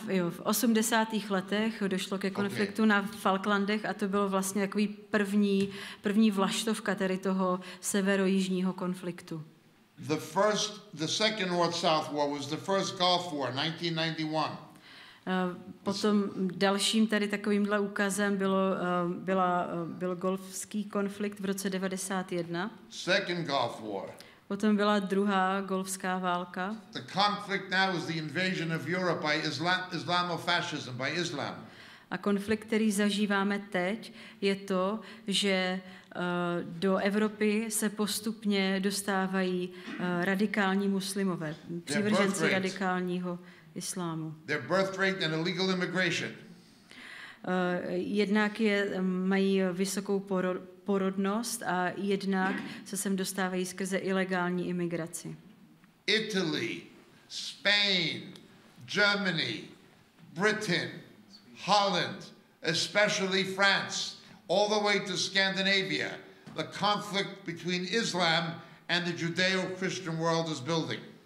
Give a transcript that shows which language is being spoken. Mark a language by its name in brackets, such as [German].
[Czech] V 80. letech došlo ke konfliktu na Falklandech a to bylo vlastně takový první vlaštovka tady toho severojižního konfliktu. [English] The second North-South War was the first Gulf War, 1991. [Czech] Potom dalším tady takovýmhle úkazem byl golfský konflikt v roce 91. [English] Second Gulf War. [Czech] Potom byla druhá golfská válka. [English] The conflict now is the invasion of Europe by Islamofascism, by Islam. [Czech] A konflikt, který zažíváme teď, je to, že do Evropy se postupně dostávají radikální muslimové, přívrženci radikálního islámu. [English] Their birth rate and illegal immigration. [Czech] Jednak mají vysokou porodnost a jednak se sem dostávají skrze ilegální imigraci. [English] Italy, Spain, Germany, Britain, Holland, especially France, all the way to Scandinavia, the conflict between Islam and the Judeo-Christian world is building.